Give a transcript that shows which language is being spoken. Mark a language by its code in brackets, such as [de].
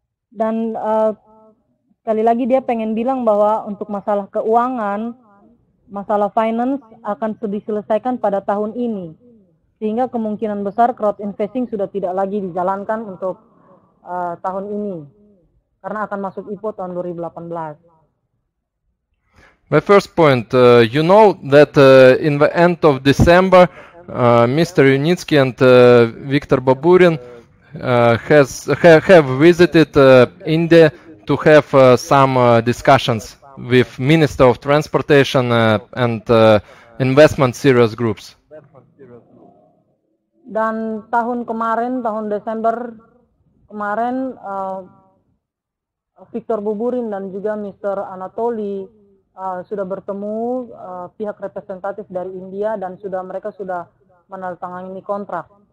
[id] Dan sekali lagi dia pengen bilang bahwa untuk masalah keuangan, masalah finance akan diselesaikan pada tahun ini. Sehingga kemungkinan besar crowd investing sudah tidak lagi dijalankan untuk tahun ini. Karena akan masuk IPO tahun 2018. [en] My first point, you know that in the end of December, Mr. Yunitsky and Viktor Baburin have visited India to have some discussions with Minister of Transportation and investment serious groups. [id] Dan tahun kemarin, tahun Desember kemarin, Viktor Baburin dan juga Mr. Anatoly sudah bertemu pihak representatif dari India dan sudah mereka sudah menandatangani kontrak.